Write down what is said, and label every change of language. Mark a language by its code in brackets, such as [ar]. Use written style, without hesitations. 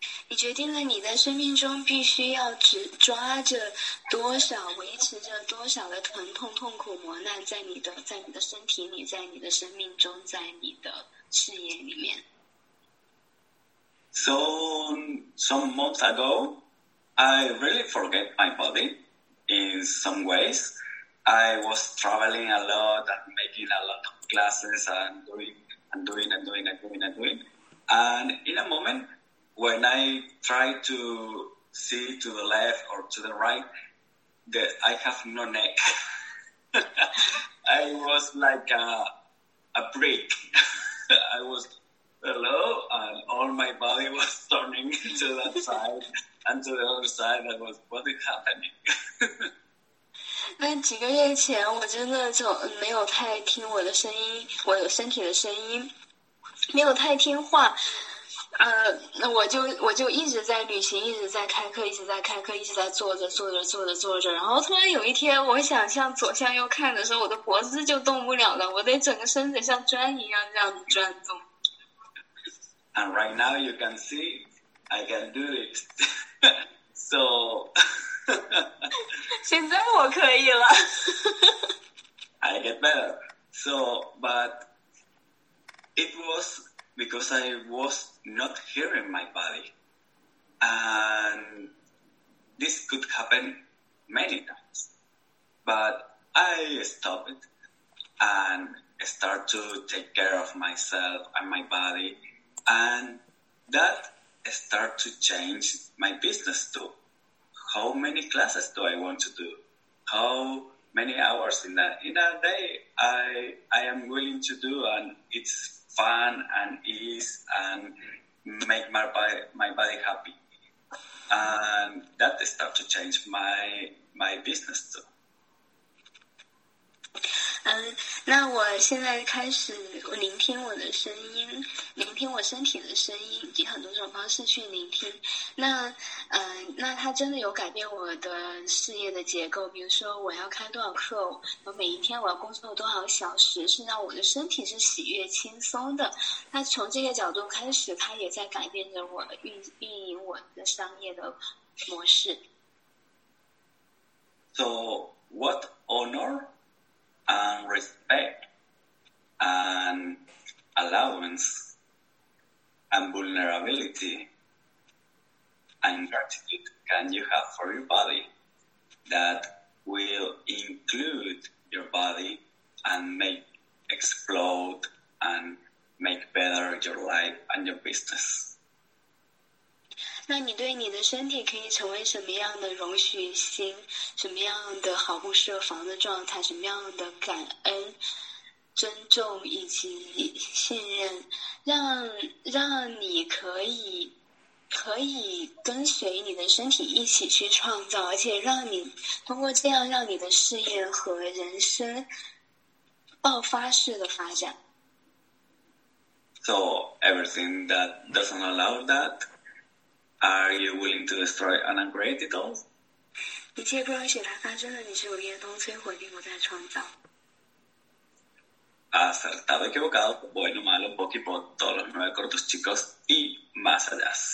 [zh] 你决定了你在生命中必须要只抓着多少，维持着多少的疼痛、痛苦、磨难，在你的身体里，在你的生命中，在你的事业里面。 [en] So some months ago, I really forget my body. In some ways, I was traveling a lot and making a lot of classes and doing I'm doing. And in a moment, when I try to see to the left or to the right, that I have no neck. I was like a brick. I was hello, and all my body was turning to that side and to the other side. I was, what is happening? [zh] 那几个月前我真的就没有太听我的声音，我有身体的声音没有太听话，那我就一直在旅行，一直在开课，一直在坐着，然后突然有一天我想向左向右看的时候，我的脖子就动不了了，我得整个身子像砖一样这样转动。 [en] And right now you can see I can do it. So [zh] 现在我可以了。 [en] I get better. So, but it was because I was not hearing my body. And this could happen many times. But I stopped and start to take care of myself and my body. And that start to change my business too. How many classes do I want to do? How many hours in a day I am willing to do, and it's fun and ease and make my body happy. And that start to change my business too. [zh] 那我现在开始聆听我的声音，聆听我身体的声音，以很多种方式去聆听。那它真的有改变我的事业的结构，比如说我要开多少课，我每一天我要工作多少小时，是让我的身体是喜悦轻松的。那从这个角度开始，它也在改变着我运营我的商业的模式。 [en] So what honor? And respect and allowance and vulnerability and gratitude can you have for your body that will include your body and make explode and make better your life and your business? [zh] 那你对你的身体可以成为什么样的容许心，什么样的毫不设防的状态，什么样的感恩尊重以及信任，让你可以跟随你的身体一起去创造，而且让你通过这样让你的事业和人生爆发式的发展。 [en] So everything that doesn't allow thatAre you willing to destroy and upgrade it all? [zh] 一切不允许它发生的，你是有业东摧毁并不再创造。 [es] Acertado, equivocado, bueno, malo, poquito, todos los nueve cortos chicos y más allá.